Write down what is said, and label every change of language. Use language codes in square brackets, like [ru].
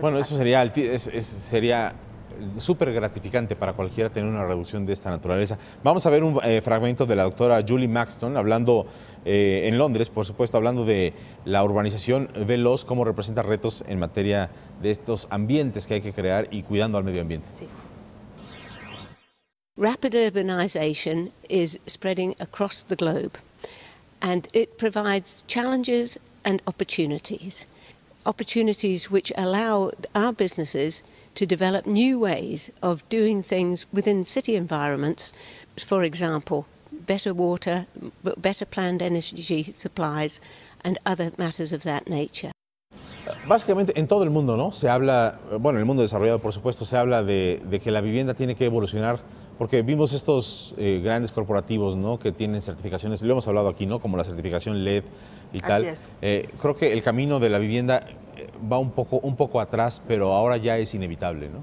[es] Bueno, eso sería súper gratificante para cualquiera tener una reducción de esta naturaleza. Vamos a ver un fragmento de la doctora Julie Maxton hablando en Londres, por supuesto, hablando de la urbanización veloz, cómo representa retos en materia de estos ambientes que hay que crear y cuidando al medio ambiente. Sí. [en] Rapid urbanization is spreading across the globe, and it provides challenges and opportunities. Opportunities which allow our businesses to develop new ways of doing things within city environments, for example, better water, better planned energy supplies, and other matters of that nature. [es] Básicamente en todo el mundo, ¿no? Se habla, bueno, en el mundo desarrollado, por supuesto, se habla de que la vivienda tiene que evolucionar. Porque vimos estos grandes corporativos, ¿no?, que tienen certificaciones, lo hemos hablado aquí, ¿no?, como la certificación LEED y tal. Así es. Creo que el camino de la vivienda va un poco atrás, pero ahora ya es inevitable, ¿no?